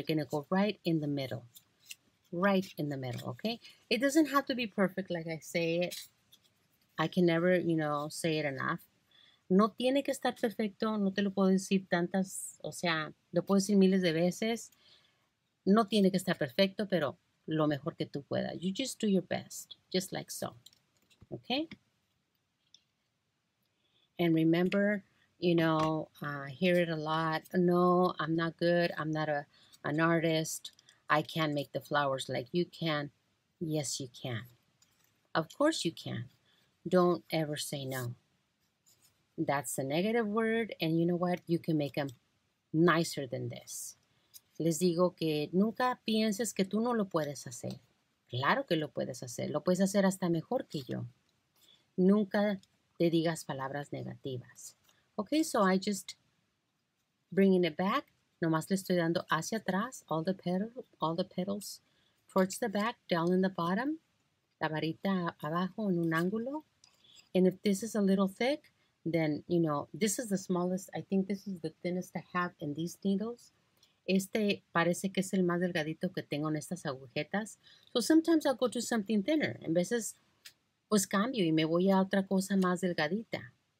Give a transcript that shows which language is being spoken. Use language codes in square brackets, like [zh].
[en] They're going to go right in the middle. Right in the middle, okay? It doesn't have to be perfect like I say it. I can never, you know, say it enough. [es] No tiene que estar perfecto. No te lo puedo decir tantas, o sea, lo puedo decir miles de veces. No tiene que estar perfecto, pero lo mejor que tú puedas. [en] You just do your best, just like so. Okay? And remember, you know, I hear it a lot. No, I'm not good. I'm not an artist. I can't make the flowers like you can. Yes, you can. Of course you can. Don't ever say no. That's a negative word. And you know what? You can make them nicer than this. [es] Les digo que nunca pienses que tú no lo puedes hacer. Claro que lo puedes hacer. Lo puedes hacer hasta mejor que yo. Nunca te digas palabras negativas. [en] Okay, so I just bringing it back. [es] Nomás le estoy dando hacia atrás. [en] All the petals towards the back, down in the bottom. [es] La varita abajo en un ángulo. [en] And if this is a little thick, then, you know, this is the smallest. I think this is the thinnest I have in these needles. [es] Este parece que es el más delgadito que tengo en estas agujetas. [en] So sometimes I'll go to something thinner. [es] En veces, pues cambio y me voy a otra cosa más delgadita.